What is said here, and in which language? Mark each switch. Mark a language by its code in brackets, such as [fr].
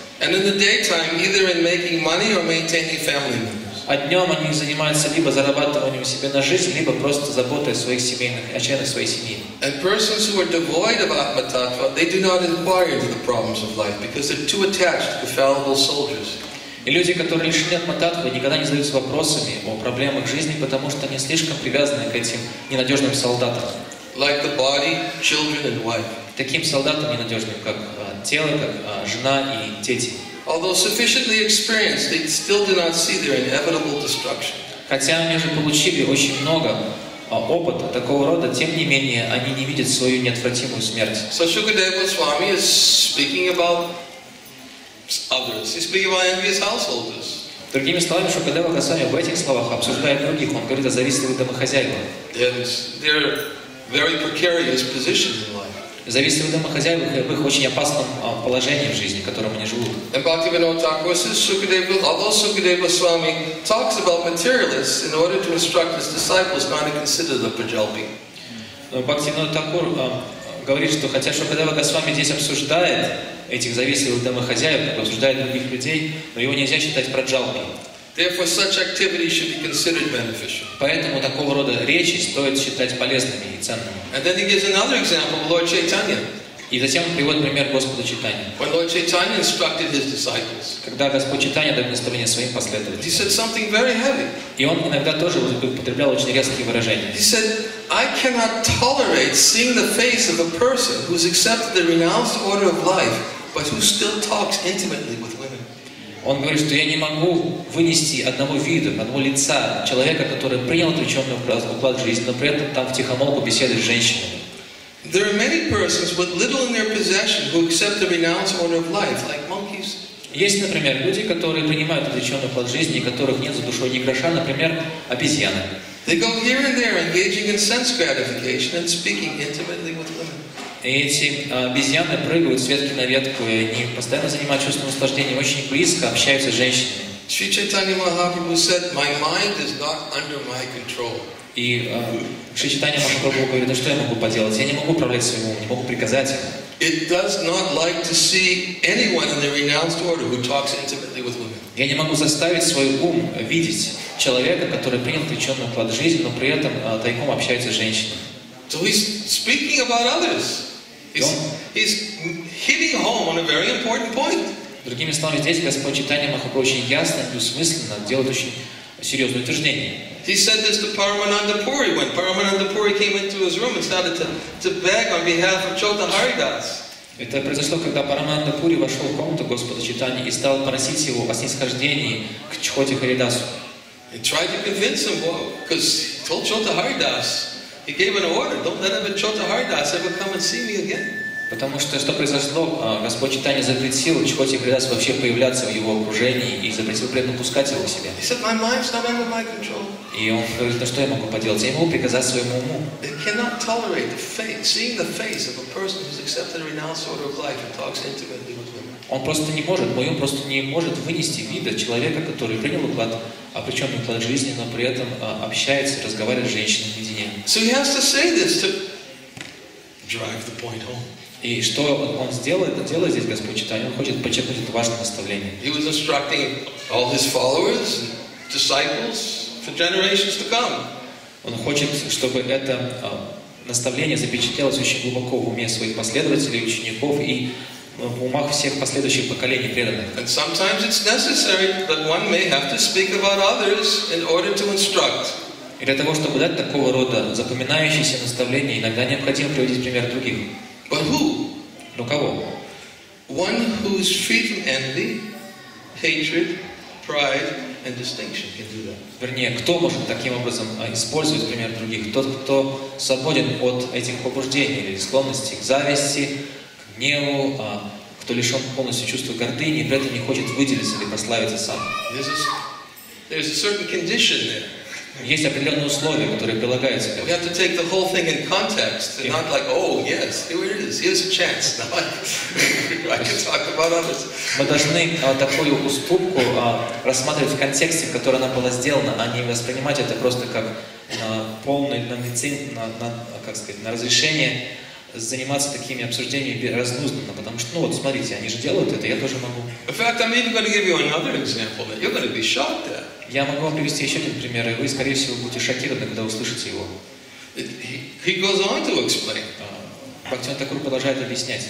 [en] And in the daytime either in making money or maintaining family members. [ru] А днем они занимаются либо зарабатыванием себе на жизнь, либо просто заботой о своих семейных, о членах своей семьи. [en] And persons who are devoid of Atmatattva, they do not inquire into the problems of life because they're too attached to fallible soldiers. [ru] И люди, которые лишены Атмататвы, никогда не задаются вопросами о проблемах жизни, потому что они слишком привязаны к этим ненадежным солдатам. [en] Like the body, children and wife. [ru] Таким солдатам ненадежным, как тело, как жена и дети. [en] Although sufficiently experienced, they still do not see their inevitable destruction. [ru] Хотя они уже получили очень много опыта такого рода, тем не менее они не видят свою неотвратимую смерть. [en] So Shukadeva Goswami is speaking about others. He's speaking about envious householders. [ru] Другими словами, Шукадева Госвами в этих словах обсуждает других. Он говорит о завистливых домохозяевах. [en] They're very precarious position in life. [ru] Зависит от домохозяев и в их очень опасном положении в жизни, в котором они живут. [en] And Bhaktivinoda Thakur says, although Shukadeva Goswami talks about materialists in order to instruct his disciples not to consider the Prajalpi. [ru] Bhaktivinoda Thakur говорит, что хотя Шукадева Госвами здесь обсуждает этих зависимых домохозяев, обсуждает других людей, но его нельзя считать Праджалпи. [en] Therefore, such activity should be considered beneficial. [ru] Поэтому такого рода речи стоит считать полезными и ценными. [en] And then he gives another example, Lord Chaitanya. [ru] И затем он приводит пример Господа Чайтаньи. [en] When Lord Chaitanya instructed his disciples. [ru] Когда Господь Чайтанья дал наставление своим последователям. [en] He said something very heavy. [ru] И он иногда тоже употреблял очень резкие выражения. [en] He said, I cannot tolerate seeing the face of a person who has accepted the renounced order of life, but who still talks intimately with women. [ru] Он говорит, что я не могу вынести одного вида, одного лица человека, который принял отречённый уклад жизни, но при этом там втихомолку беседует с женщинами. [en] There are many persons with little in their possession who accept the renounced order of life, like monkeys. [ru] Есть, например, люди, которые принимают отречённый уклад жизни, и которых нет за душой ни гроша, например, обезьяны. [en] They go here and there, engaging in sense gratification and speaking intimately with women. [ru] И эти обезьяны прыгают с ветки на ветку, и они постоянно занимают чувственное наслаждение, очень близко общаются с женщинами. [en] Шри Чайтанья Махапрабху said, my mind is not under my control. [ru] И Шри Чайтанья Махапрабху говорит, что я могу поделать? Я не могу управлять своим умом, не могу приказать ему. [en] It does not like to see anyone in the renounced order who talks intimately with women. [ru] Я не могу заставить свой ум видеть человека, который принял отречённый уклад жизни, но при этом тайком общается с женщинами. [en] So he's speaking about others. He's hitting home on a very important point. [ru] Другими словами, здесь Господь Чайтанья Махапрабху очень ясно и осмысленно делает очень серьезное утверждение. [en] He said this to Paramananda Puri when Paramananda Puri came into his room and started to beg on behalf of Chota Haridas. [ru] Это произошло, когда Парамананда Пури вошел в комнату Господа Чайтаньи и стал просить его о снисхождении к Чхоте Харидасу. [en] He tried to convince him, because he told Chota Haridas. He gave an order, don't let Chota Haridas ever come and see me again. [ru] Потому что что произошло, Господь Читания запретил Чхоти Гридас вообще появляться в его окружении и запретил при этом пускать его к себе. [en] He said, my mind's not under my control. [ru] И он говорит, ну что я могу поделать? Я могу приказать своему уму. [en] It cannot tolerate the face, seeing the face of a person who's accepted a renounced order of life and talks intimately with women. [ru] Он просто не может, мой ум просто не может вынести вида человека, который принял уклад, а причем уклад жизни, но при этом общается и разговаривает с женщиной наедине. [en] So he has to say this to drive the point home. [ru] И что он сделает, он делает здесь Господь Читания, он хочет подчеркнуть это важное наставление. [en] He was instructing all his followers, disciples for generations to come. [ru] Он хочет, чтобы это наставление запечатлелось очень глубоко в уме своих последователей, учеников и в умах всех последующих поколений преданных. [en] And sometimes it's necessary that one may have to speak about others in order to instruct. [ru] И для того, чтобы дать такого рода запоминающиеся наставления, иногда необходимо приводить пример других. [en] But who? [ru] Но кого? [en] One who is free from envy, hatred, pride, and distinction can do that. [ru] Вернее, кто может таким образом использовать пример других? Тот, кто свободен от этих побуждений или склонностей к зависти, к гневу, кто лишен полностью чувства гордыни и при этом не хочет выделиться или прославиться сам. [en] There's a certain condition there. [ru] Есть определенные условия, которые прилагаются к этому. [en] We have to take the whole thing in context, and not like, oh, yes, here it is, here's a chance. Now I can talk about others. [ru] Мы должны такую уступку рассматривать в контексте, в котором она была сделана, а не воспринимать это просто как полное на разрешение заниматься такими обсуждениями разнузданно, потому что, ну вот, смотрите, они же делают это, я тоже могу. [en] In fact, I'm even going to give you another example. That you're going to be shocked at. [ru] Я могу вам привести еще один пример, и вы, скорее всего, будете шокированы, когда услышите его. [en] He goes on to explain. [ru] Бхактивинод Тхакур продолжает объяснять.